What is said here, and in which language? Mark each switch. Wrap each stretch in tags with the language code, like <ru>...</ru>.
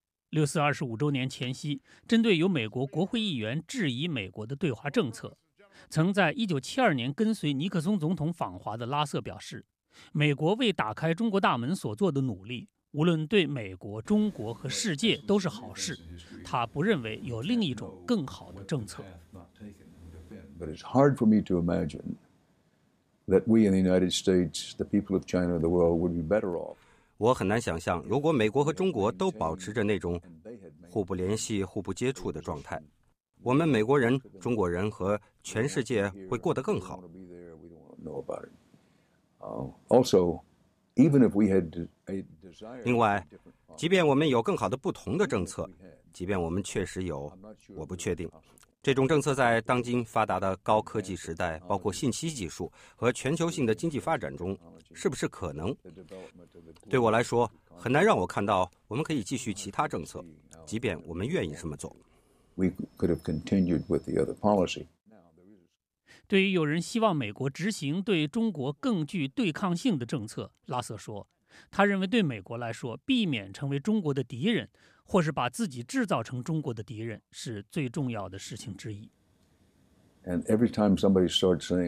<zh>六四二十五周年前夕，针对有美国国会议员质疑美国的对华政策，曾在1972年跟随尼克松总统访华的拉瑟表示，美国为打开中国大门所做的努力，无论对美国、中国和世界都是好事，他不认为有另一种更好的政策。</zh> <en>But it's hard for me to imagine that we in the United States, the people of China, the world would be better off.</en> <zh>我很难想象，如果美国和中国都保持着那种互不联系、互不接触的状态，我们美国人、中国人和全世界会过得更好。</zh> <en>Also.</en> <zh>另外，即便我们有更好的不同的政策，即便我们确实有，我不确定，这种政策在当今发达的高科技时代，包括信息技术和全球性的经济发展中，是不是可能？对我来说，很难让我看到我们可以继续其他政策，即便我们愿意这么做。</zh> <en>We could have continued with the other policy.</en> <zh>对于有人希望美国执行对中国更具对抗性的政策，拉瑟说，他认为对美国来说，避免成为中国的敌人，或是把自己制造成中国的敌人，是最重要的事情之一。</zh> <en>And every time somebody starts saying,</en>